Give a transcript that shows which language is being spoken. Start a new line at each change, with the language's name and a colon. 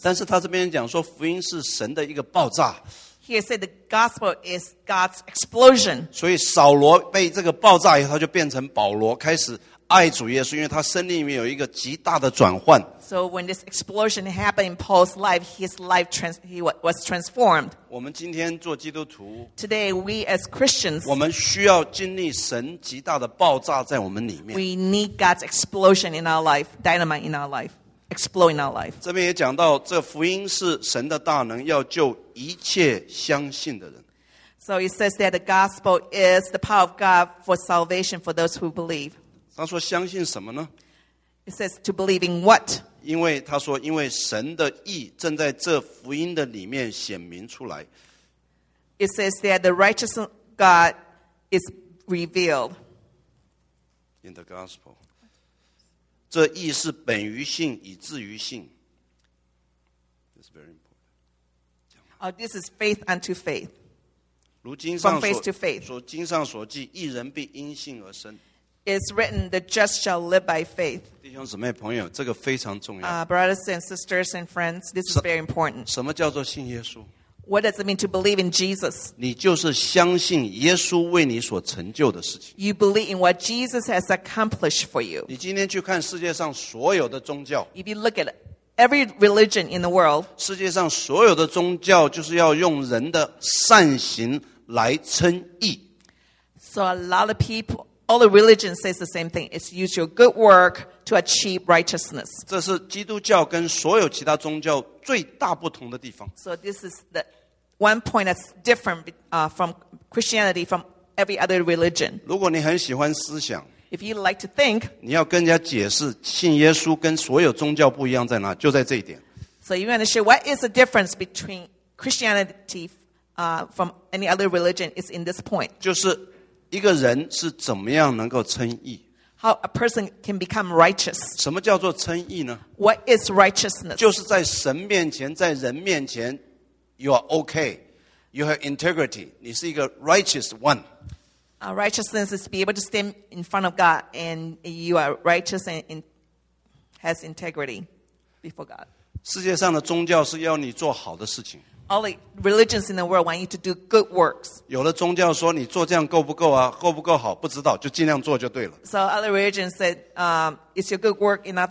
Chinese: 但是他这边讲说福音是神的一个爆炸。
English: He said the gospel is God's explosion.
Chinese: 所以扫罗被这个爆炸以后他就变成保罗开始爱主耶稣因为他生命里面有一个极大的转换。
English: So when this explosion happened in Paul's life, his life he was transformed.
Chinese: 我们今天做基督徒
English: Today we as Christians
Chinese: 我们需要经历神极大的爆炸在我们里面。
English: We need God's explosion in our life, dynamite in our life. Exploring our life.
Chinese: 这边也讲到，这福音是神的大能，要救一切相信的人。
English: So it says that the gospel is the power of God for salvation for those who believe.
Chinese: 他说相信什么呢
English: ？It says to believe in what?
Chinese: 因为他说，因为神的义正在这福音的里面显明出来。
English: It says that the righteousness of God is revealed in the gospel.
Chinese: 这义是本于信以至于信
English: That's very important. This is faith unto faith.
Chinese: 如经上所
English: From faith to faith.
Chinese: 所经上所记，义人必因信而生。
English: It's written, the just shall live by faith.
Chinese: 弟兄姊妹朋友，这个非常重要。
English: Brothers and sisters and friends, this is very important.
Chinese: 什么叫做信耶稣？
English: What does it mean to believe in Jesus?
Chinese: 你就是相信耶稣为你所成就的事情。
English: You believe in what Jesus has accomplished for you.
Chinese: 你今天去看世界上所有的宗教。
English: If you look at every religion in the world,
Chinese: 世界上所有的宗教就是要用人的善行来称义。
English: So a lot of people, all the religions say the same thing. It's use your good work to achieve righteousness.
Chinese: 这是基督教跟所有其他宗教最大不同的地方。
English: So this is the one point that's different from Christianity from every other religion.
Chinese: 如果你很喜欢思想
English: If you like to think,
Chinese: 你要跟人家解释信耶稣跟所有宗教不一样在哪，就在这一点。
English: So you want to share what is the difference between Christianity from any other religion is in this point.
Chinese: 就是一个人是怎么样能够称义。
English: How a person can become righteous.
Chinese: 什么叫做称义呢
English: What is righteousness?
Chinese: 就是在神面前在人面前
English: You are okay. You have integrity.
Chinese: 你是一个
English: righteous one. Righteousness is to be able to stand in front of God and you are righteous and has integrity before God.
Chinese: 世界上的宗教是要你做好的事情。
English: All the religions in the world want you to do good works.
Chinese: 有的宗教说你做这样够不够啊？够不够好？不知道，就尽量做就对了。
English: So other religions said, "Is your good work enough?